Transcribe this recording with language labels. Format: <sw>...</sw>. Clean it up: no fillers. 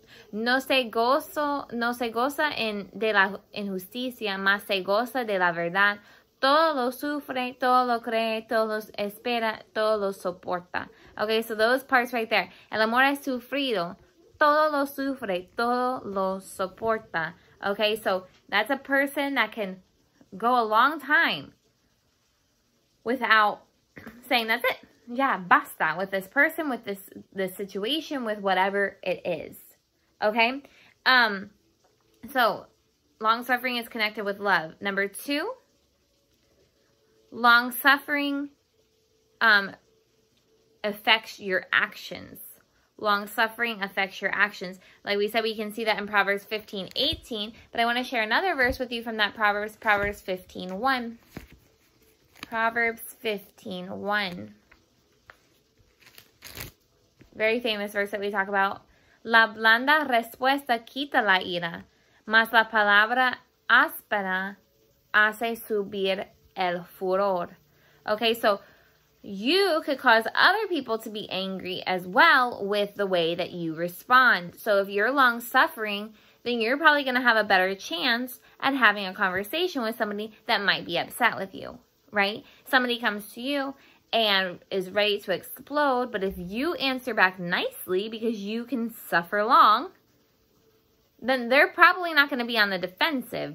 <es>No se goza en de la injusticia, mas se goza de la verdad. Todo lo sufre, todo lo cree, todo lo espera, todo lo soporta.</es> <en>Okay, so those parts right there.</en> <es>El amor es sufrido, todo lo sufre, todo lo soporta.</es> <en>Okay, so that's a person that can go a long time without saying that's it. Yeah, basta with this person, with this situation, with whatever it is. Okay, so long-suffering is connected with love. Number two, long-suffering affects your actions. Long-suffering affects your actions. Like we said, we can see that in Proverbs 15:18, but I want to share another verse with you from that Proverbs, Proverbs 15:1. Proverbs 15:1. Very famous verse that we talk about.</en> <es>La blanda respuesta quita la ira, mas la palabra áspera hace subir el furor.</es> <en>Okay, so you could cause other people to be angry as well with the way that you respond. So if you're long-suffering, then you're probably going to have a better chance at having a conversation with somebody that might be upset with you, right? Somebody comes to you and is ready to explode, but if you answer back nicely because you can suffer long, then they're probably not going to be on the defensive.</en>